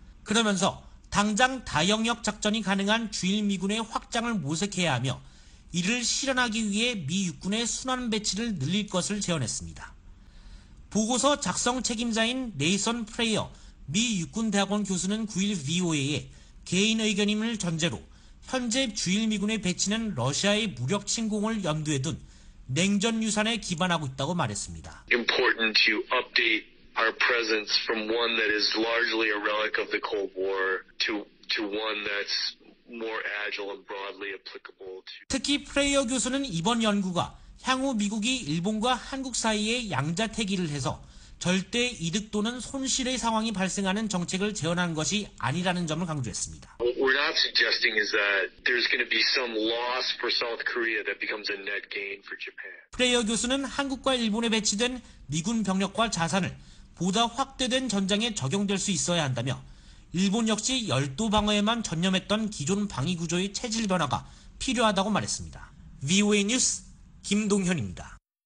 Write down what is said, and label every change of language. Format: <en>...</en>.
<ko>그러면서 당장 다영역 작전이 가능한 주일 미군의 확장을 모색해야 하며 이를 실현하기 위해 미 육군의 순환 배치를 늘릴 것을 제언했습니다. 보고서 작성 책임자인 네이선 프레이어 미 육군대학원 교수는 9일 VOA에 개인 의견임을 전제로 현재 주일 미군의 배치는 러시아의 무력 침공을 염두에 둔 냉전 유산에 기반하고 있다고 말했습니다.</ko> <en>Important to update our presence from one that is largely a relic of the Cold War to one that's more agile and broadly applicable to.</en> <ko>특히 프레이어 교수는 이번 연구가 향후 미국이 일본과 한국 사이에 양자택일을 해서 절대 이득 또는 손실의 상황이 발생하는 정책을 제언하는 것이 아니라는 점을 강조했습니다.</ko> <en>What we're not suggesting is that there's going to be some loss for South Korea that becomes a net gain for Japan.</en> <ko>프레이어 교수는 한국과 일본에 배치된 미군 병력과 자산을 보다 확대된 전장에 적용될 수 있어야 한다며 일본 역시 열도 방어에만 전념했던 기존 방위 구조의 체질 변화가 필요하다고 말했습니다. VOA 뉴스 김동현입니다.</ko>